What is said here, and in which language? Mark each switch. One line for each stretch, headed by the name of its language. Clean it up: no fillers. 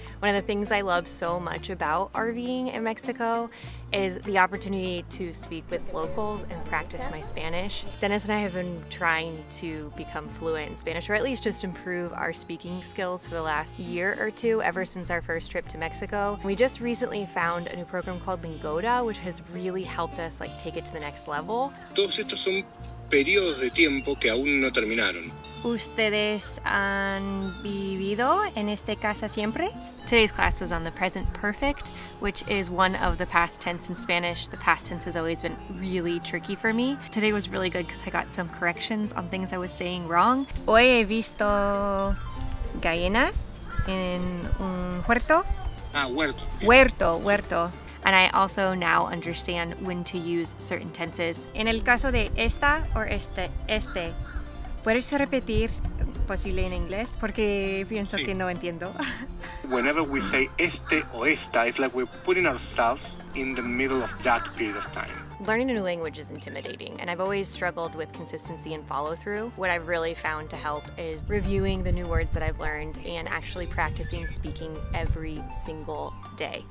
English: One of the things I love so much about RVing in Mexico is the opportunity to speak with locals and practice my Spanish. Dennis and I have been trying to become fluent in Spanish, or at least just improve our speaking skills for the last year or two, ever since our first trip to Mexico. We just recently found a new program called Lingoda, which has really helped us like take it to the next level.
Spanish: Todos estos son periodos de tiempo que aún no terminaron. ¿Ustedes han vivido en esta casa siempre?
English: Today's class was on the present perfect, which is one of the past tense in Spanish. The past tense has always been really tricky for me. Today was really good because I got some corrections on things I was saying wrong.
Spanish: Hoy he visto gallinas en un huerto. Ah, huerto. Yeah. Huerto, huerto.
English: And I also now understand when to use certain tenses.
Spanish: En el caso de esta or este, este. ¿Puedes repetir posible en inglés? Porque pienso que no entiendo.
English: Whenever we say
Spanish: este o esta,
English: it's like we're putting ourselves in the middle of that period of time. Learning a new language is intimidating, and I've always struggled with consistency and follow-through. What I've really found to help is reviewing the new words that I've learned and actually practicing speaking every single day.